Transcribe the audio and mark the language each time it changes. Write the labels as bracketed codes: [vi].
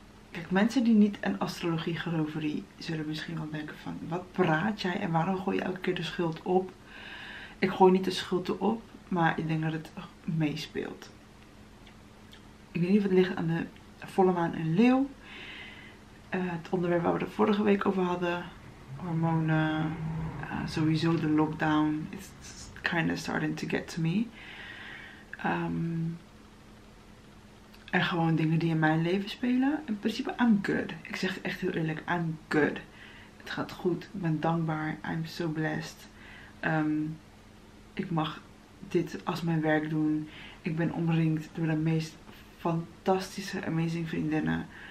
[nl] Kijk, mensen die niet in astrologie geloven, die zullen misschien wel denken van, wat praat jij en waarom gooi je elke keer de schuld op? Ik gooi niet de schuld erop, maar ik denk dat het meespeelt. Ik weet niet of het ligt aan de volle maan en leeuw. Het onderwerp waar we het vorige week over hadden. Hormonen. Sowieso de lockdown. [en] It's kind of starting to get to me. [nl] En gewoon dingen die in mijn leven spelen. In principe, [en] I'm good. [nl] Ik zeg echt heel eerlijk, [en] I'm good. [nl] Het gaat goed. Ik ben dankbaar. [en] I'm so blessed. [nl] Ik mag dit als mijn werk doen. Ik ben omringd door de meest fantastische, amazing vriendinnen.